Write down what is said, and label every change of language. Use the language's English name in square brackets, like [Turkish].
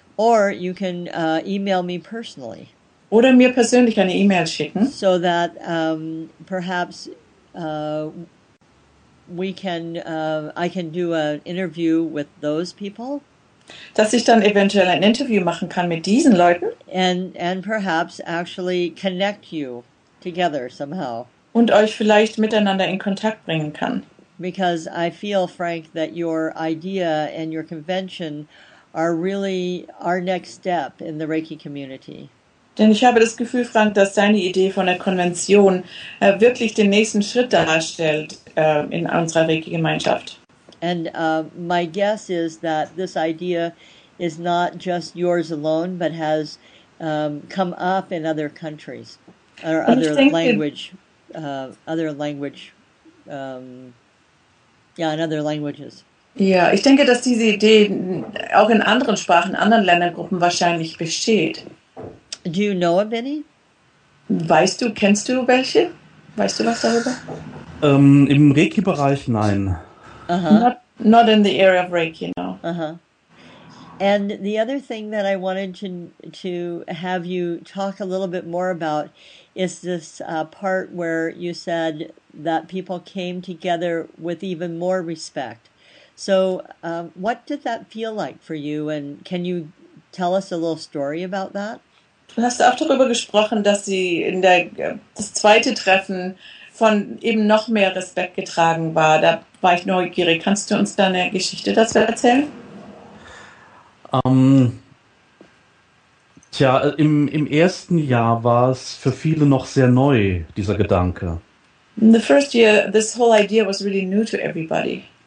[English] Or you can email me personally. [German] Oder mir persönlich eine E-Mail schicken. [English] So that perhaps we can I can do an interview with those people. [German] Dass ich dann eventuell ein Interview machen kann mit diesen Leuten. [English] And perhaps actually connect you together somehow. [German] Und euch vielleicht miteinander in Kontakt bringen kann. [English] Because I feel, Frank, that your idea and your convention are really our next step in the Reiki community. [German] Denn ich habe das Gefühl, Frank, dass deine Idee von der Konvention wirklich den nächsten Schritt darstellt in unserer Reiki-Gemeinschaft. [English] And my guess is that this idea is not just yours alone, but has come up in other countries or in other languages. [German] Ja, ich denke, dass diese Idee auch in anderen Sprachen, anderen Ländergruppen wahrscheinlich besteht. [English] Do you know of any? [German] Kennst du welche? Weißt du was darüber? Im Reiki-Bereich, nein. [English] Uh-huh. Not in the area of Reiki, no. Uh-huh. And the other thing that I wanted to have you talk a little bit more about is this part where you said that people came together with even more respect. So what did that feel like for you? And can you tell us a little story about that? [German] Du hast auch darüber gesprochen, dass sie in das zweite Treffen von eben noch mehr Respekt getragen war. Da war ich neugierig. Kannst du uns da eine Geschichte dazu erzählen? Im ersten Jahr war es für viele noch sehr neu, dieser Gedanke. [English] In the first year, this whole idea was really new to everybody.